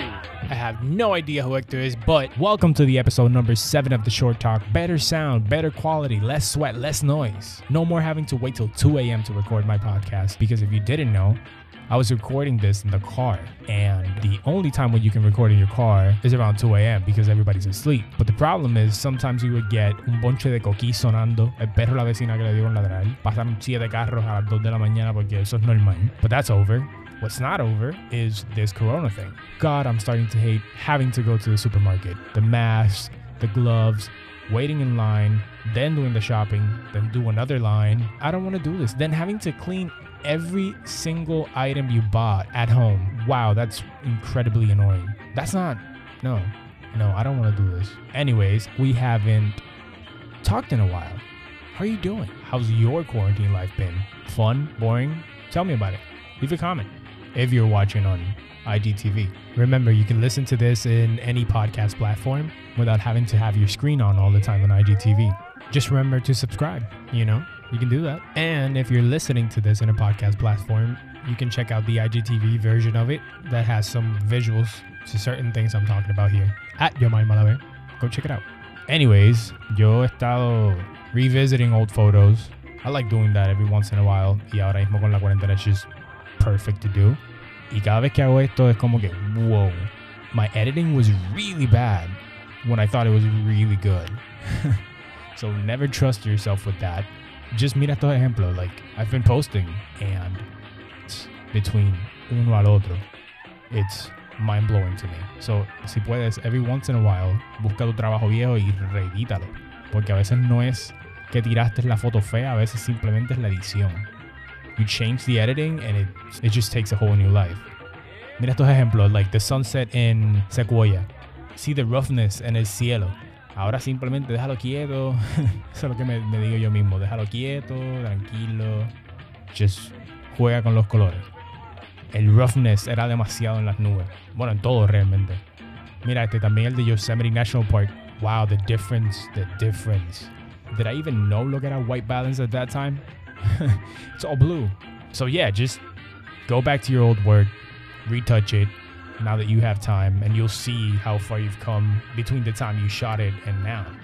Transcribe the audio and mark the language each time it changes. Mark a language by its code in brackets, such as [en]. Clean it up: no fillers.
[en] I have no idea who Hector is, but welcome to the episode number 7 of the Short Talk. Better sound, better quality, less sweat, less noise. No more having to wait till 2 a.m. to record my podcast, because if you didn't know, I was recording this in the car, and the only time when you can record in your car is around 2 a.m. because everybody's asleep. But the problem is, sometimes you would get [es] un bonche de coquí sonando, el perro la vecina que le dio un ladrón, pasar un chile de carros a las 2 de la mañana porque eso es normal. [en] But that's over. What's not over is this corona thing. God, I'm starting to hate having to go to the supermarket. The mask, the gloves, waiting in line, then doing the shopping, then do another line. I don't want to do this. Then having to clean every single item you bought at home. Wow, that's incredibly annoying. That's not... No, I don't want to do this. Anyways, we haven't talked in a while. How are you doing? How's your quarantine life been? Fun? Boring? Tell me about it. Leave a comment if you're watching on IGTV. Remember, you can listen to this in any podcast platform without having to have your screen on all the time on IGTV. Just remember to subscribe, you know? You can do that. And if you're listening to this in a podcast platform, you can check out the IGTV version of it that has some visuals to certain things I'm talking about here. At Yo Mind Malabe. Go check it out. Anyways, [es] yo he estado [en] revisiting old photos. I like doing that every once in a while. [es] Y ahora mismo con la cuarentena, [en] it's just perfect to do. [es] Y cada vez que hago esto, es como que, whoa. [en] My editing was really bad when I thought it was really good. So never trust yourself with that. Just [es] mira estos ejemplos, [en] like, I've been posting, and between [es] uno al otro, [en] it's mind-blowing to me. [es] So, si puedes, [en] every once in a while, [es] busca tu trabajo viejo y reedítalo. Porque a veces no es que tiraste la foto fea, a veces simplemente es la edición. [en] You change the editing, and it just takes a whole new life. [es] Mira estos ejemplos, [en] like, the sunset in Sequoia. See the roughness in [es] el cielo. Ahora simplemente déjalo quieto. Eso es lo que me digo yo mismo. Déjalo quieto, tranquilo. Just juega con los colores. El roughness era demasiado en las nubes. Bueno, en todo realmente. Mira, este también el de Yosemite National Park. [en] Wow, the difference, the difference. Did I even know look at our white balance at that time? It's all blue. So yeah, just go back to your old work. Retouch it. Now that you have time, and you'll see how far you've come between the time you shot it and now.